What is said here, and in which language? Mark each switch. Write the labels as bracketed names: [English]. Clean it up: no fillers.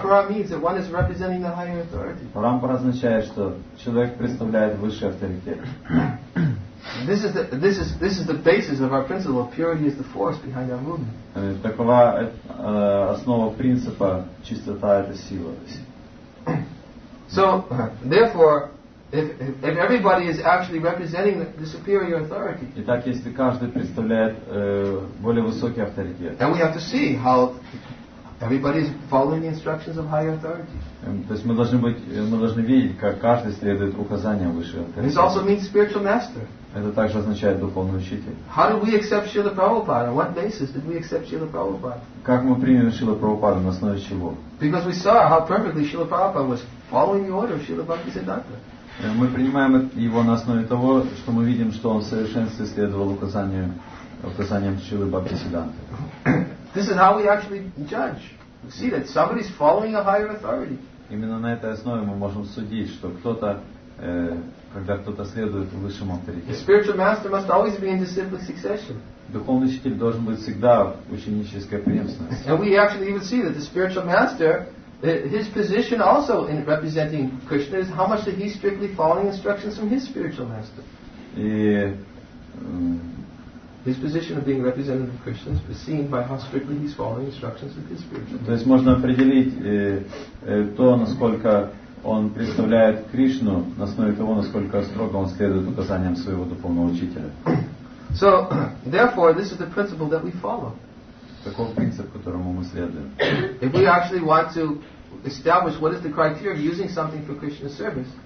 [English] Parampara means that one is representing the higher authority. [Russian] Парампара означает, что человек представляет высший авторитет. [English] This is the basis of our principle. Purity is the force behind our movement. [Russian] Такова основа принципа: чистота — это сила. [English] So, therefore, if everybody is actually representing the superior authority. [Russian] Итак, если каждый представляет более высокий авторитет. [English] And we have to see how everybody is following the instructions of higher authority. [Russian] То есть мы должны видеть, как каждый следует указаниям высшего авторитета. [English] This also means spiritual master. [Russian] Это также означает духовный учитель. [English] How do we accept Srila Prabhupada? What basis did we accept Srila Prabhupada? [Russian] Как мы приняли Шрила Прабхупаду, на основе чего? [English] Because we saw how perfectly Srila Prabhupada was following the order of Srila Bhaktisiddhanta. [Russian] Мы принимаем его на основе того, что мы видим, что он в совершенстве следовал указаниям Шрилы Бхактисиддханты. [English] This is how we actually judge. We see that somebody is following a higher authority. [Russian] Именно на этой основе мы можем судить, что кто-то когда кто-то следует высшему авторитету. [English] The spiritual master must always be in disciplic succession. [Russian] Духовный учитель должен быть всегда в ученической преемственности. [English] And we actually even see that the spiritual master, his position also in representing Krishna is how much that he's strictly following instructions from his spiritual master. [Russian] И [English] his position of being representative of Krishna is seen by how strictly he's following instructions of his spiritual master. [Russian] То есть можно определить то, насколько он представляет Кришну на основе того, насколько строго он следует указаниям своего духовного учителя. [English] So, therefore, this is the principle that we follow. [Russian] Таков принцип, которому мы следуем. [English] If we actually want to establish what is the criteria of using something for Krishna's service,